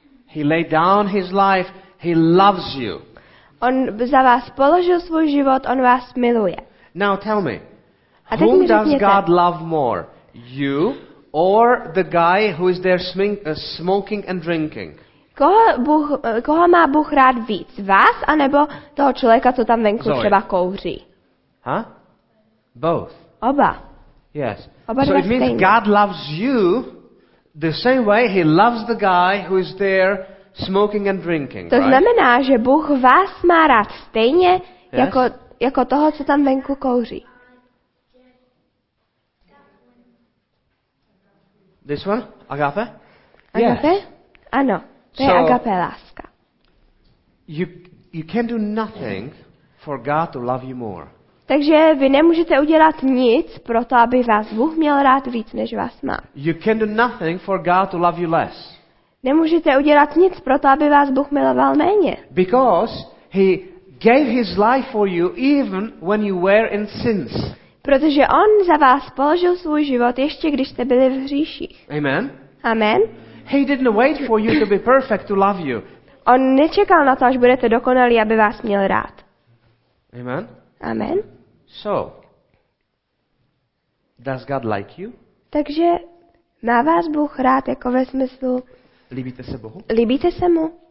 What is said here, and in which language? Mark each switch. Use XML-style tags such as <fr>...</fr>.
<en>He laid down his life, he loves you.</en> <cs>On za vás položil svůj život, on vás miluje.</cs> <en>Now tell me.</en> <cs>A teď mi řekněte.</cs> <en>Whom does God love more? You or the guy who is there smoking and drinking?</en> <cs>Koho má Bůh rád víc? Vás anebo toho člověka, co tam venku třeba kouří?</cs> <en>Huh? Both.</en> <cs>Oba.</cs> <en>Yes.</en> <cs>Oba</cs> <en>so it means</en> <cs>stejný.</cs> <en>God loves you the same way he loves the guy who is there smoking and drinking.</en> <cs>To znamená, že Bůh vás má rád stejně jako toho, co tam venku kouří.</cs> <en>This one? Agape?</en> <cs>Agape?</cs> <en>Yes.</en> <cs>Ano. To je agape láska.</cs> <en>You can do nothing for God to love you more.</en> <cs>Takže vy nemůžete udělat nic pro to, aby vás Bůh měl rád víc, než vás má.</cs> <en>You can do nothing for God to love you less.</en> <cs>Nemůžete udělat nic pro to, aby vás Bůh miloval méně.</cs> <en>Because he gave his life for you even when you were in sins.</en> <cs>Protože on za vás položil svůj život ještě když jste byli v hříších.</cs> <en>Amen.</en> <cs>Amen.</cs> <en>He didn't wait for you to be perfect to love you.</en> <cs>On nečekal na to, až budete dokonalí, aby vás měl rád.</cs> <en>Amen.</en> <cs>Amen.</cs> <en>So, does God like you?</en> <cs>Takže má vás Bůh rád jako ve smyslu... Líbíte se Bohu? Líbíte se mu?</cs>